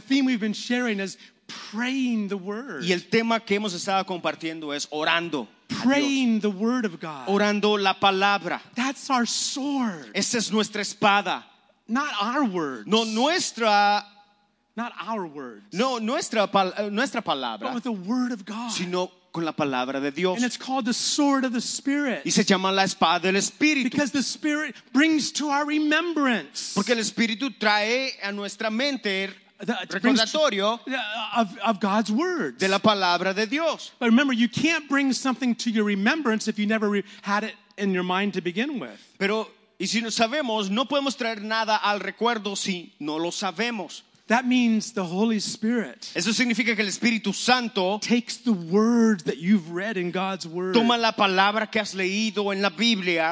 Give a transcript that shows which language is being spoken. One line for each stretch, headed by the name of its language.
English: The theme we've been sharing is praying the word.
Spanish: Y el tema que hemos estado compartiendo es orando.
English: Praying the word of God.
Spanish: Orando la palabra.
English: That's our sword.
Spanish: Esa es nuestra espada.
English: Not our words.
Spanish: No nuestra.
English: Not our words.
Spanish: No nuestra palabra.
English: But with the word of God.
Spanish: Sino con la palabra de Dios.
English: And it's called the sword of the Spirit.
Spanish: Y se llama la espada del Espíritu.
English: Because the Spirit brings to our remembrance.
Spanish: Porque el Espíritu trae a nuestra mente. Recordatorio
English: of God's words.
Spanish: De la palabra de Dios.
English: But remember, you can't bring something to your remembrance if you never had it in your mind to begin with.
Spanish: Pero, y si no sabemos, no podemos traer nada al recuerdo si no lo sabemos.
English: That means the Holy Spirit.
Spanish: Eso significa que el Espíritu Santo
English: takes the words that you've read in God's word.
Spanish: Toma la palabra que has leído en la Biblia.